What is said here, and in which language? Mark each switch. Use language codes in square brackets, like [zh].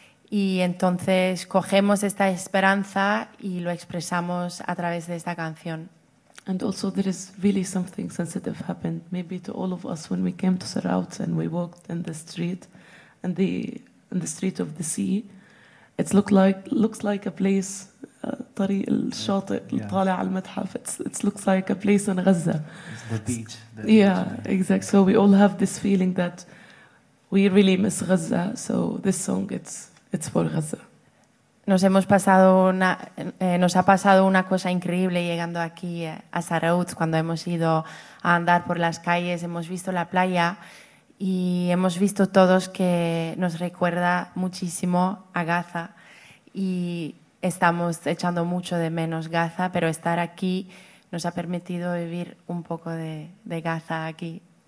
[es] Y entonces cogemos esta esperanza y lo expresamos a través de esta canción. [en] And also there is really something sensitive happened, maybe to all of us, when we came to Sarauz and we walked in the street, and the street of the sea. It looks like a place, [ar] طريق الشاطئ طالع على المتحف. [en] It looks like a place in Gaza. It's the beach. Yeah, exactly. So we all have this feeling that we really miss Gaza. So this song, it's for Gaza. [es] Nos ha pasado una cosa increíble llegando aquí a Sarauz. Cuando hemos ido a andar por las calles, hemos visto la playa y hemos visto todos que nos recuerda muchísimo a Gaza, y estamos echando mucho de menos Gaza, pero estar aquí nos ha permitido vivir un poco de Gaza aquí.